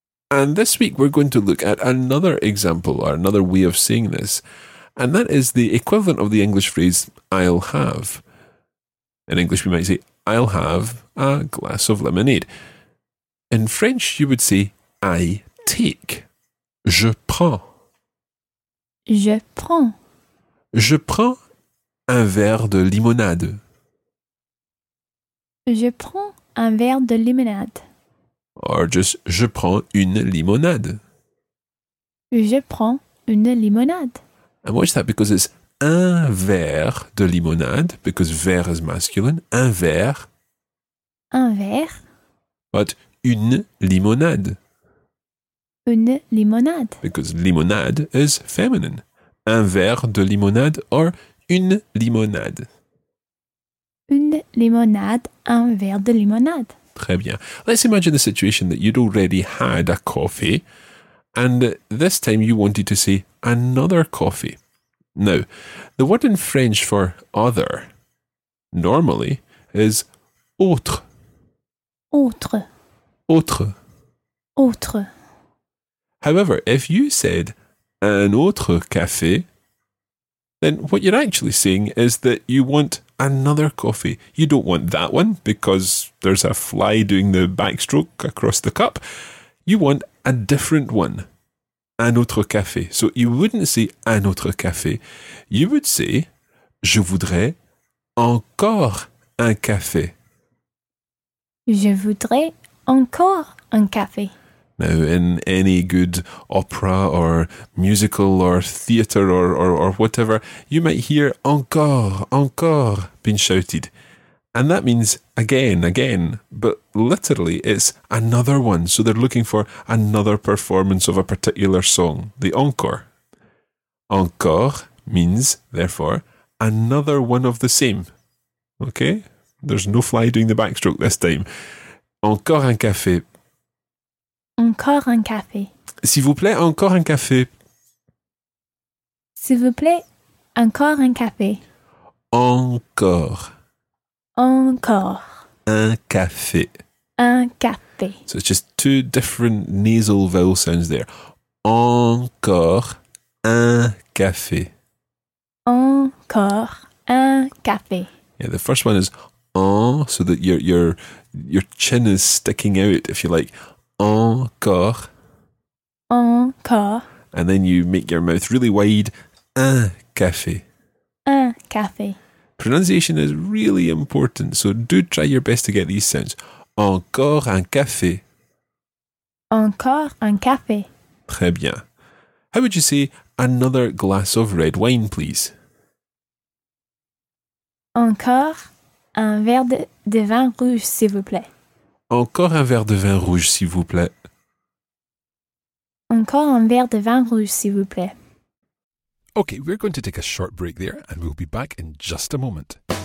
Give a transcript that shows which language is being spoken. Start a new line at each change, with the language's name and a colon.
English: And this week, we're going to look at another example or another way of saying this. And that is the equivalent of the English phrase, I'll have. In English, we might say, I'll have a glass of lemonade. In French, you would say, I take.
French: Je prends. Je prends. Je prends un verre de limonade. Je prends un verre de limonade. Or just, je prends une limonade. Je prends une limonade.
English: And watch that because it's
French: un verre de limonade,
English: because verre is masculine.
French: Un verre. Un verre. But une limonade. Une limonade.
English: Because limonade is feminine.
French: Un verre de limonade or une limonade. Une limonade, un verre de limonade. Très bien.
English: Let's imagine the situation that you'd already had a coffee and this time you wanted to say another coffee. Now, the word in French for other normally is autre.
French: Autre. Autre. Autre.
English: However, if you said
French: un autre café,
English: then what you're actually saying is that you want another coffee. You don't want that one because there's a fly doing the backstroke across the cup. You want a different one.
French: Un autre café.
English: So you wouldn't say
French: un autre café.
English: You would say
French: je voudrais encore un café. Je voudrais encore un café.
English: Now, in any good opera or musical or theatre or whatever, you might hear encore, encore being shouted. And that means again, again, but literally it's another one. So they're looking for another performance of a particular song, the encore. Encore means, therefore, another one of the same. Okay? There's no fly doing the backstroke this time.
French: Encore un café. Encore un café. S'il vous plaît, encore un café. S'il vous plaît, encore un café. Encore. Encore. Un café. Un café.
English: So it's just two different nasal vowel sounds there.
French: Encore un café. Encore un café.
English: Yeah, the first one is en, so that your chin is sticking out, if you like.
French: Encore. Encore.
English: And then you make your mouth really wide.
French: Un café. Un café.
English: Pronunciation is really important, so do try your best to get these sounds.
French: Encore un café. Encore un café. Très bien.
English: How would you say another glass of red wine, please?
French: Encore un verre de vin rouge, s'il vous plaît. Encore un verre de vin rouge, s'il vous plaît. Encore un verre de vin rouge, s'il vous plaît.
English: Okay, we're going to take a short break there and we'll be back in just a moment.